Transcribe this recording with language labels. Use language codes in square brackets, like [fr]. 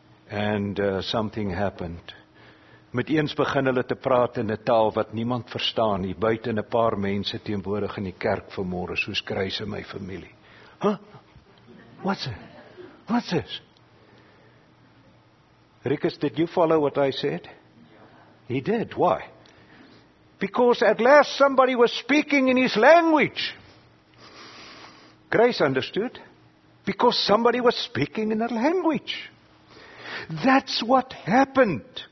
[en] And something happened. [af] Met eens begin hulle te praat in 'n taal wat niemand verstaan nie, buiten 'n paar mense teenwoordig in die kerk vanmôre, soos Kruis en my familie. [en] Huh? What's it? What's this? Ricus, did you follow what I said? He did. Why? Because at last somebody was speaking in his language. Grace understood. Because somebody was speaking in a language. That's what happened.